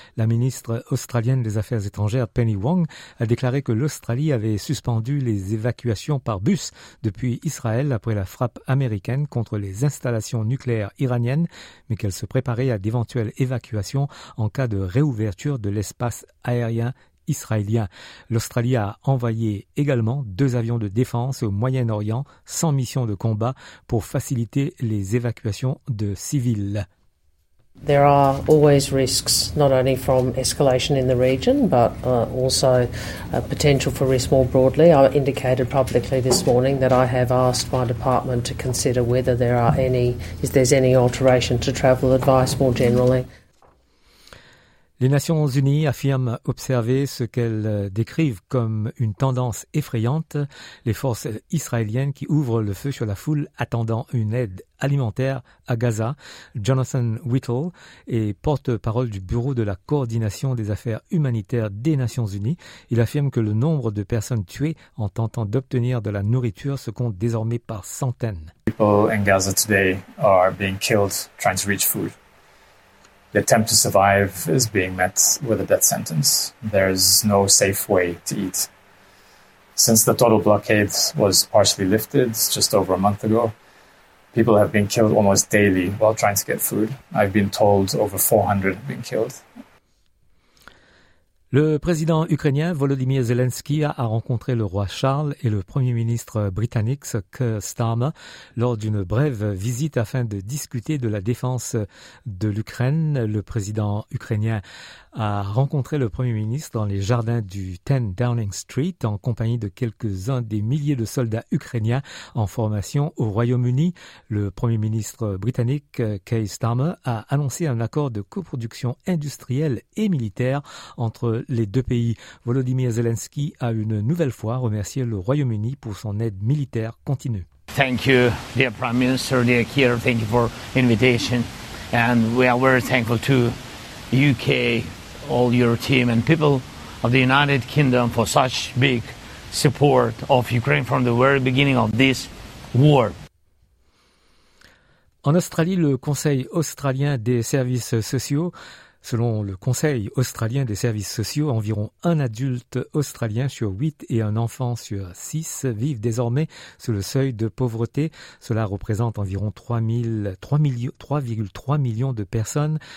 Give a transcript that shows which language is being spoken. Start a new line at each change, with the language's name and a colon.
French: La ministre australienne des Affaires étrangères, Penny Wong, a déclaré que l'Australie avait suspendu les évacuations par bus depuis Israël après la frappe américaine contre les installations nucléaires iraniennes, mais qu'elle se préparait à d'éventuelles évacuations en cas de réouverture de l'espace aérien israélien. L'Australie a envoyé également 2 avions de défense au Moyen-Orient sans mission de combat pour faciliter les évacuations de civils.
English: There are always risks, not only from escalation in the region, but also a potential for risk more broadly. I indicated publicly this morning that I have asked my department to consider whether there are any, if there's any alteration to travel advice more generally.
French: Les Nations Unies affirment observer ce qu'elles décrivent comme une tendance effrayante, les forces israéliennes qui ouvrent le feu sur la foule attendant une aide alimentaire à Gaza. Jonathan Whittle est porte-parole du Bureau de la coordination des affaires humanitaires des Nations Unies. Il affirme que le nombre de personnes tuées en tentant d'obtenir de la nourriture se compte désormais par centaines.
English: People in Gaza today are being killed trying to reach food. The attempt to survive is being met with a death sentence. There is no safe way to eat. Since the total blockade was partially lifted just over a month ago, people have been killed almost daily while trying to get food. I've been told over 400 have been killed.
French: Le président ukrainien Volodymyr Zelensky a rencontré le roi Charles et le premier ministre britannique Keir Starmer lors d'une brève visite afin de discuter de la défense de l'Ukraine. Le président ukrainien a rencontré le premier ministre dans les jardins du 10 Downing Street en compagnie de quelques-uns des milliers de soldats ukrainiens en formation au Royaume-Uni. Le premier ministre britannique Keir Starmer a annoncé un accord de coproduction industrielle et militaire entre les deux pays. Volodymyr Zelensky a une nouvelle fois remercié le Royaume-Uni pour son aide militaire continue.
English: Thank you, dear Prime Minister, dear Keir, thank you for invitation. And we are very thankful to UK, all your team and people of the United Kingdom for such big support of Ukraine from the very beginning of this war.
French: En Australie, le Conseil australien des services sociaux. Selon le Conseil australien des services sociaux, environ un adulte australien sur 8 et un enfant sur 6 vivent désormais sous le seuil de pauvreté. Cela représente environ 3,3 millions de personnes.